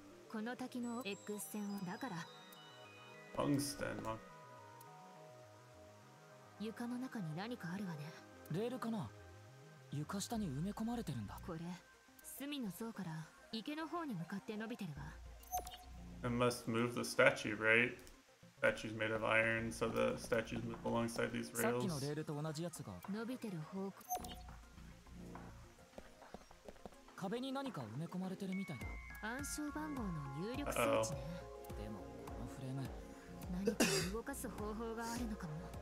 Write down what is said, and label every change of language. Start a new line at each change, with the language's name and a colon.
Japanese: この滝の X 線をだから。タングステンな。床の中に何かあるわね。レールかな。床下に埋め込まれてるんだ。これ、隅の層から池の方に向かって伸びてるわ。
English: It must move the statue, right? Statue's made of iron, so the statue's move alongside these rails.
Japanese: さっきのレールと同じやつが。伸びてる方向。壁に何か埋め込まれてるみたいだ。暗証番号の入力装置ね。でもこのフレーム、何か動かす方法があるのかも。